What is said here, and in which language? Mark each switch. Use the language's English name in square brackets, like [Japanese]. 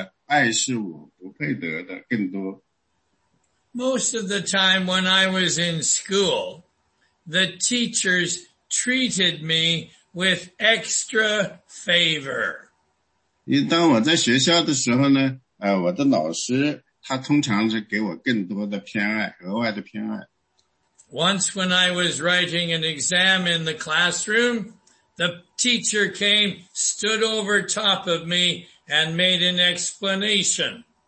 [Chinese] 对，我喜欢这样。尤其当我是个小男孩的时候呢，我喜欢被人偏爱。我喜欢呢，别人给我的爱是我不配得的，更多。 [English] Most of the time when I was in school, the teachers treated me with extra favor. [Chinese] 当我在学校的时候呢，我的老师他通常是给我更多的偏爱，额外的偏爱。 [English] Once when I was writing an exam in the classroom, the teacher came, stood over top of me, and made an explanation.